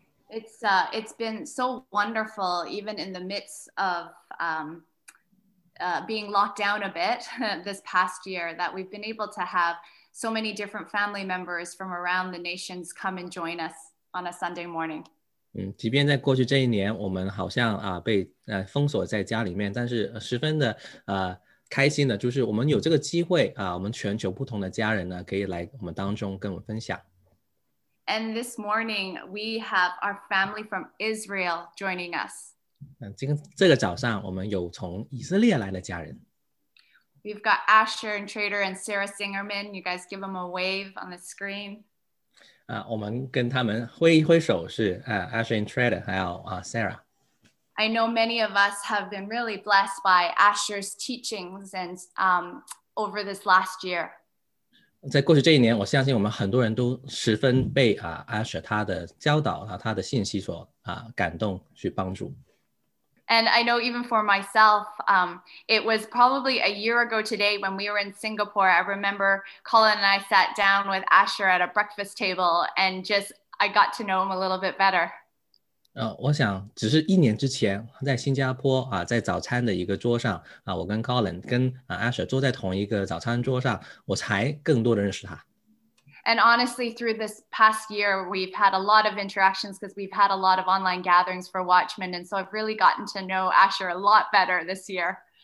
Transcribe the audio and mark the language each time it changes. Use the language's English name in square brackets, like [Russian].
[English] It's been so wonderful, even in the midst of being locked down a bit this past year, that we've been able to have so many different family members from around the nations come and join us on a Sunday morning. [Chinese] 即便在过去这一年，我们好像被封锁在家里面，但是十分的开心的就是我们有这个机会我们全球不同的家人呢可以来我们当中跟我们分享。 [English] And this morning, we have our family from Israel joining us. [Chinese] 这个早上我们有从以色列来的家人。 [English] We've got Asher and Trader and Sarah Singerman. You guys give them a wave on the screen. [Chinese] 我们跟他们挥一挥手是Asher and Trader 还有Sarah。 [English] I know many of us have been really blessed by Asher's teachings and over this last year. [Chinese] 在过去这一年，我相信我们很多人都十分被Asher 他的教导和他的信息所感动去帮助。 [English] And I know even for myself, it was probably a year ago today when we were in Singapore. I remember Colin and I sat down with Asher at a breakfast table and just I got to know him a little bit better. [Chinese] 我想只是一年之前在新加坡在早餐的一个桌上我跟 Colin 跟 Asher 坐在同一个早餐桌上我才更多的认识他。 [English] And honestly, through this past year, we've had a lot of interactions because we've had a lot of online gatherings for Watchmen. And so I've really gotten to know Asher a lot better this year.